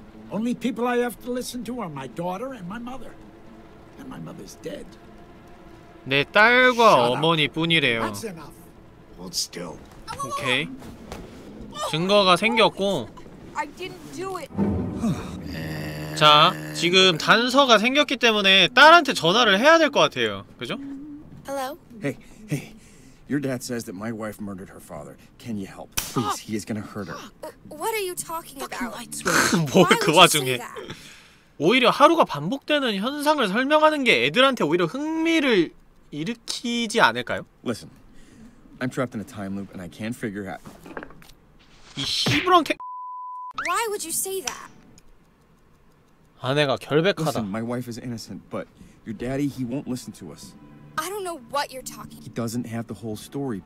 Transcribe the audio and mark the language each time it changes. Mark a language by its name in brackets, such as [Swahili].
[English] Only people I have to listen to are my daughter and my mother. And my mother's dead. [Korean] 내 딸과 어머니뿐이래요. [English] That's enough. Hold still. [Korean] Okay. 증거가 생겼고. [English] I didn't do it. [Korean] 자, 지금 단서가 생겼기 때문에 딸한테 전화를 해야 될 것 같아요. 그죠? [English] Hello. Hey, hey. Your dad says that my wife murdered her father. Can you help? Please, he is gonna hurt her. What are you talking about? [Korean] Lights, 뭘 그 와중에 오히려 하루가 반복되는 현상을 설명하는 게 애들한테 오히려 흥미를 일으키지 않을까요? [English] Listen, I'm trapped in a time loop and I can't figure out. 이 히브랑 캐. Why would you say that? [Korean] 아내가 결백하다. [English] Listen, my wife is innocent, but your daddy, he won't listen to us. I don't know what you're talking. He doesn't have the whole story.